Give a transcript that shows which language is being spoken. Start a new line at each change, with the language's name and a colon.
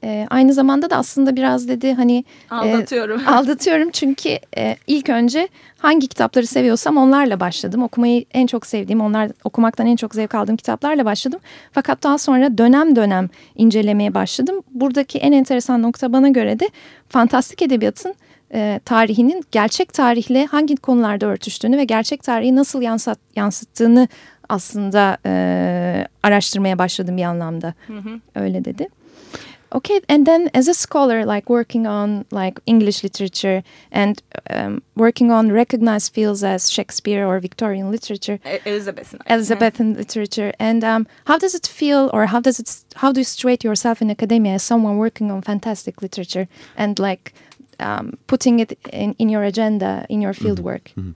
Turkish: Aynı zamanda da aslında biraz dedi hani aldatıyorum çünkü ilk önce hangi kitapları seviyorsam onlarla başladım, okumayı en çok sevdiğim okumaktan en çok zevk aldığım kitaplarla başladım, fakat daha sonra dönem dönem incelemeye başladım. Buradaki en enteresan nokta bana göre de fantastik edebiyatın tarihinin gerçek tarihle hangi konularda örtüştüğünü ve gerçek tarihi nasıl yansıttığını aslında araştırmaya başladım bir anlamda. Öyle dedi.
English: Okay, and then as a scholar, like working on like English literature and working on recognized fields as Shakespeare or Victorian literature, Elizabethan literature, and how does it feel, or how do you situate yourself in academia as someone working on fantastic literature and like putting it in your agenda, in your field work?